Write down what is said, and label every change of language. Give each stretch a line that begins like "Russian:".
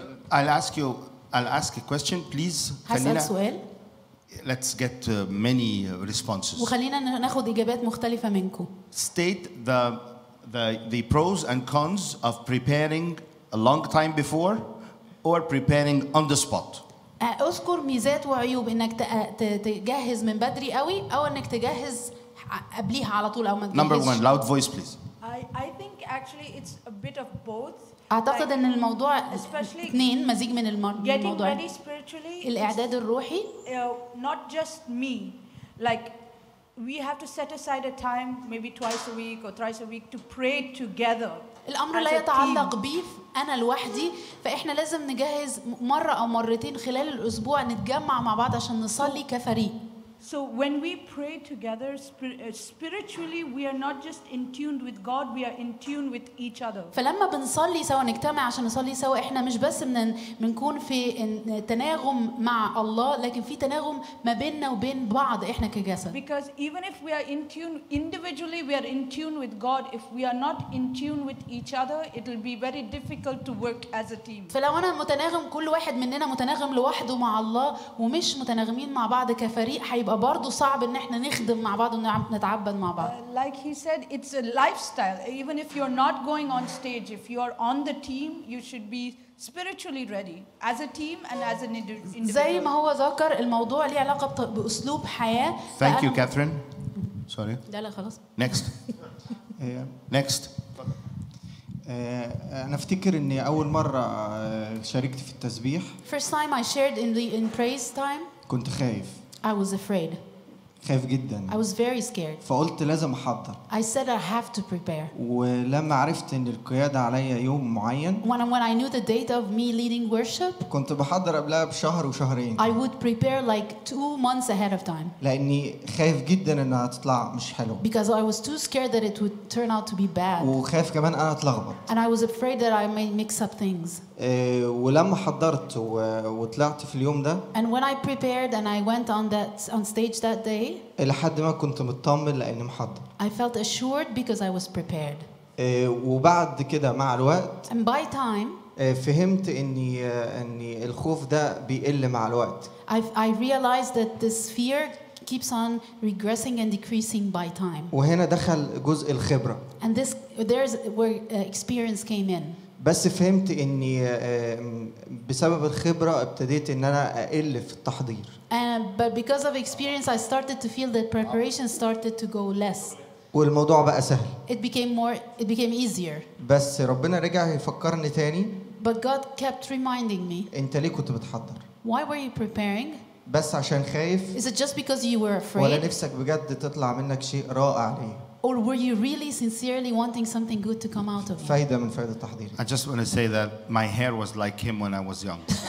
English: I'll ask a question, please.
Arabic: خلينا سؤال.
English: Let's get many responses.
Arabic: وخلينا ناخد اجابات مختلفه منكم.
English: State the pros and cons of preparing a long time before or preparing on the spot.
Arabic: اذكر ميزات وعيوب انك تجهز من بدري قوي او انك تجهز قبليها على طول او ما تجهزش.
English: Number one, loud voice please. I think actually it's a bit of both.
Arabic: اعتقد ان الموضوع اثنين مزيج من الموضوع.
English: Getting ready spiritually.
Arabic: الاعداد الروحي.
English: Not just me. Like we have to set aside a time maybe twice a week or thrice a week to pray together.
Arabic: الامر لا يتعلق بي انا لوحدي فاحنا لازم نجهز مره او مرتين خلال الاسبوع نتجمع مع بعض عشان نصلي كفريق.
English: So when we pray together spiritually we are not just in tuned with God, we are in tuned with each other.
Arabic: فلما بنصلي سوا نجتمع عشان نصلي سوا احنا مش بس بنكون في تناغم مع الله لكن في تناغم ما بيننا وبين بعض احنا كجسد.
English: Because even if we are in tune individually we are in tune with God, if we are not in tune with each other it will be very difficult to work as a team.
Arabic: فلو انا متناغم كل واحد مننا متناغم لوحده مع الله ومش متناغمين مع بعض كفريق يبقى برضو صعب ان احنا نخدم مع بعض ونتعبد مع بعض.
English: Like he said, it's a lifestyle. Even if you're not going on stage, if you're on the team, you should be spiritually ready as a team and as an individual.
Arabic: زي ما هو ذكر الموضوع ليه علاقة بأسلوب حياة.
English: Thank you, Catherine. Sorry.
Arabic: لا لا خلاص.
English: Next. Next.
Arabic: انا افتكر اني اول مرة شاركت في التسبيح.
English: First time I shared in praise time.
Arabic: كنت خايف.
English: I was afraid.
Arabic: خايف جدا.
English: I was very scared.
Arabic: فقلت لازم احضر.
English: I said I have to prepare.
Arabic: ولما عرفت ان القياده عليا يوم معين.
English: When I knew the date of me leading worship.
Arabic: كنت بحضر قبلها بشهر وشهرين.
English: I would prepare like 2 months ahead of time.
Arabic: لاني خايف جدا انها تطلع مش حلو.
English: Because I was too scared that it would turn out to be bad.
Arabic: وخايف كمان انا اتلخبط.
English: And I was afraid that I may mix up things.
Arabic: ولما حضرت وطلعت في اليوم ده.
English: And when I prepared and I went on stage that day.
Arabic: لحد ما كنت مطمن لاني محضر.
English: I felt assured because I was prepared.
Arabic: وبعد كده مع الوقت.
English: And by time.
Arabic: فهمت اني الخوف ده بيقل مع الوقت.
English: I realized that this fear keeps on regressing and decreasing by time.
Arabic: وهنا دخل جزء الخبرة.
English: And this there's where experience came in.
Arabic: بس فهمت اني بسبب الخبرة ابتديت ان انا اقل في التحضير.
English: But because of experience, I started to feel that preparation started to go less.
Arabic: والموضوع بقى سهل.
English: It became easier.
Arabic: بس ربنا رجع يفكرني تاني.
English: But God kept reminding me.
Arabic: انت ليه كنت بتحضر؟
English: Why were you preparing?
Arabic: بس عشان خايف.
English: Is it just because you were afraid?
Arabic: ولا نفسك بجد تطلع منك شيء رائع ليه؟
English: Or were you really sincerely wanting something good to come out of you?
Arabic: فايدة من فايدة التحضير.
English: I just want to say that my hair was like him when I was young.